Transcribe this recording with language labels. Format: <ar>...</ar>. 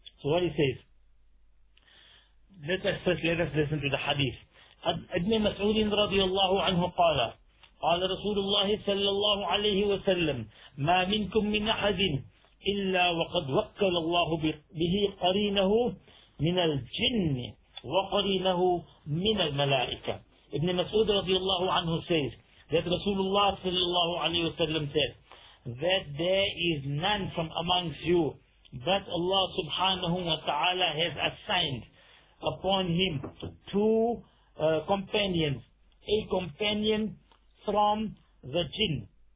<en>So what he says, let us listen to the hadith.</en> <ar>Ibn Mas'ud radiallahu anhu qala, قال رسول الله صلى الله عليه وسلم ما منكم من أحد إلا وقد وكل الله به قرينه من الجن وقرينه من الملائكة.</ar> <en>ابن مسعود رضي الله عنه says that رسول الله صلى الله عليه وسلم said that there is none from amongst you but Allah subhanahu wa ta'ala has assigned upon him two companions, a companion from the jinn,</en>